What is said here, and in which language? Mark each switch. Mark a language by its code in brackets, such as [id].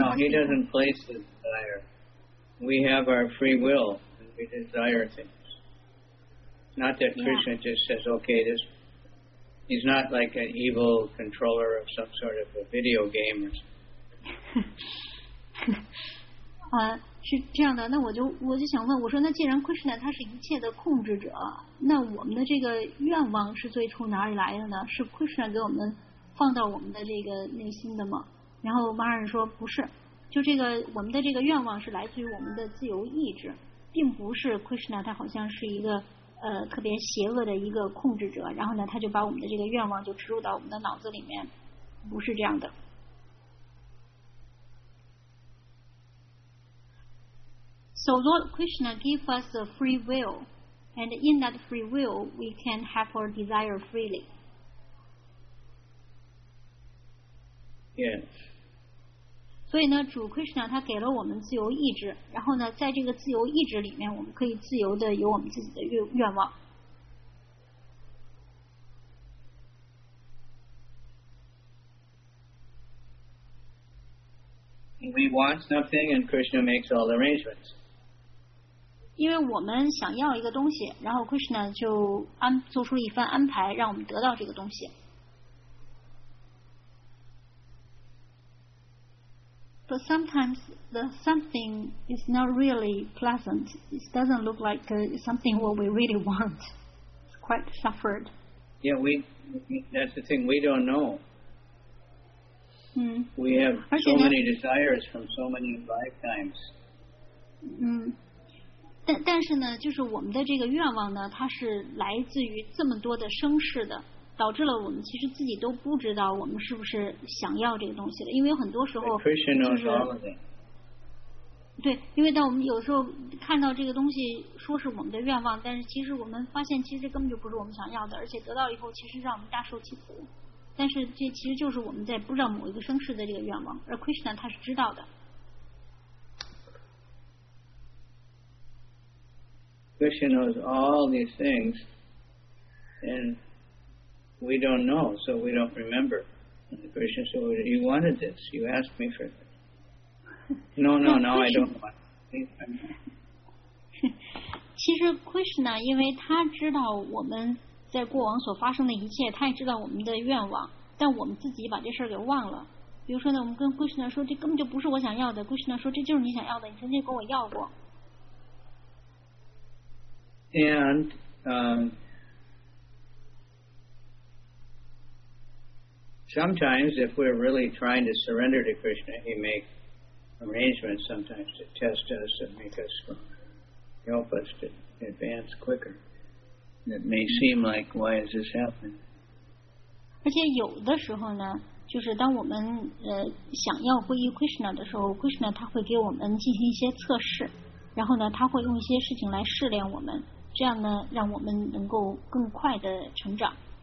[en] No, he doesn't place the desire. We have our free will and we desire things. Not that Krishna just says, "Okay, this." He's not like an evil controller of some sort of a video game or something. [zh] 是这样的，那我就想问，我说那既然 Krishna 他是一切的控制者，那我们的这个愿望是最初哪里来的呢？是 Krishna 给我们放到我们的这个内心的吗？然后 Maharaj 说不是，就这个我们的这个愿望是来自于我们的自由意志，并不是 Krishna 他好像是一个特别邪恶的一个控制者，然后呢他就把我们的这个愿望就植入到我们的脑子里面，不是这样的。 [en] So Lord Krishna gave us a free will, and in that free will, we can have our desire freely. Yes. [zh] 所以呢，主 Krishna 他给了我们自由意志，然后呢，在这个自由意志里面，我们可以自由的有我们自己的愿望。 [en] We want something, and Krishna makes all arrangements. [zh] 因为我们想要一个东西，然后 Krishna 就做出了一番安排，让我们得到这个东西。 [en] But sometimes the something is not really pleasant. It doesn't look like something what we really want. It's quite suffered. Yeah, that's the thing. We don't know. We have so many desires from so many lifetimes. [zh] 但是呢，就是我们的这个愿望呢，它是来自于这么多的生世的，导致了我们其实自己都不知道我们是不是想要这个东西的，因为很多时候就是 对，因为当我们有时候看到这个东西说是我们的愿望，但是其实我们发现其实根本就不是我们想要的，而且得到以后其实让我们大受其苦，但是这其实就是我们在不知道某一个生世的这个愿望，而 Krishna 他是知道的。 [en] Krishna knows all these things, and we don't know, so we don't remember. And Krishna said, well, you wanted this, you asked me for this. No, I don't want it. [zh] 其其实 Krishna 因为他知道我们在过往所发生的一切，他也知道我们的愿望，但我们自己把这事儿给忘了。比如说呢，我们跟 Krishna 说这根本就不是我想要的， Krishna 说这就是你想要的，你曾经跟我要过。 [en] AndSometimes if we're really trying to surrender to Krishna, he makes arrangements sometimes to test us and make us stronger, help us to advance quicker. It may seem like, why is this happening? [zh] 而且有的时候呢，就是当我们想要皈依 Krishna 的时候， Krishna 他会给我们进行一些测试，然后呢他会用一些事情来试炼我们，这样呢让我们能够更快的成长。